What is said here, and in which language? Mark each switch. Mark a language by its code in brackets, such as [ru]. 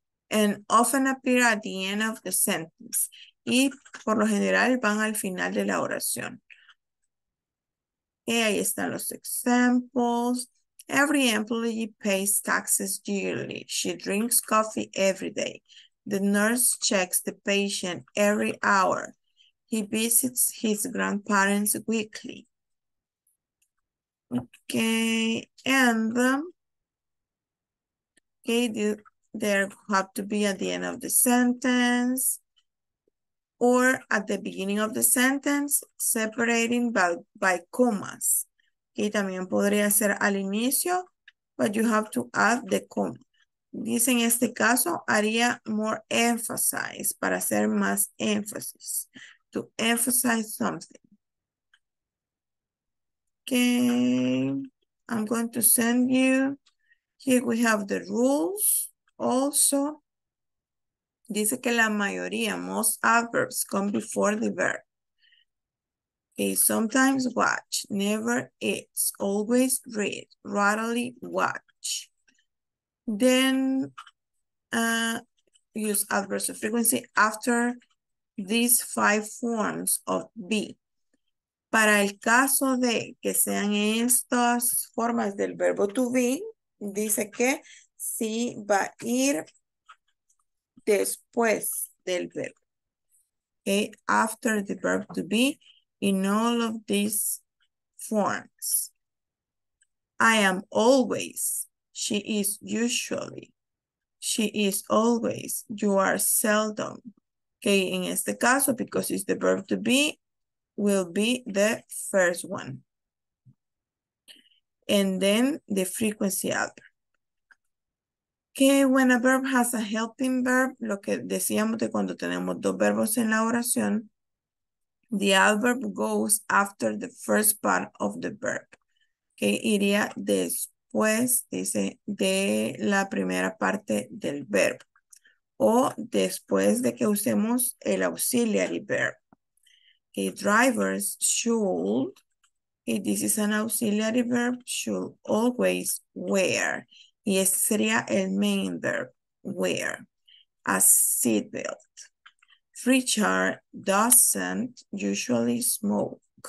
[en] And often appear at the end of the sentence. [es] Y por lo general van al final de la oración. Y ahí están los [en] examples. Every employee pays taxes yearly. She drinks coffee every day. The nurse checks the patient every hour. He visits his grandparents weekly. Okay, and okay, there have to be at the end of the sentence or at the beginning of the sentence, separating by commas. Okay, [es] también podría ser al inicio, [en] but you have to add the comma. [es] Dice en este caso, haría [en] more emphasize, [es] para hacer más énfasis. [en] To emphasize something. Okay, I'm going to send you. Here we have the rules also. [es] Dice que la mayoría, [en] most adverbs come before the verb. Okay, sometimes watch, never eats, always read, rarely watch. Then use adverbs of frequency after these five forms of be. [es] Para el caso de que sean estas formas del verbo to be, dice que sí va a ir después del verbo. [en] Okay, after the verb to be in all of these forms. I am always, she is usually, she is always, you are seldom. Okay, in [es] este caso, [en] because it's the verb to be, will be the first one. And then the frequency adverb. Okay, when a verb has a helping verb, [es] lo que decíamos de cuando tenemos dos verbos en la oración, [en] the adverb goes after the first part of the verb. [es] Okay, iría después, dice, de la primera parte del verbo. O después de que usemos el auxiliary verb. [en] Okay, drivers should, okay, this is an auxiliary verb, should always wear. [es] Y ese sería el [en] main verb, wear, a seatbelt. Richard doesn't usually smoke.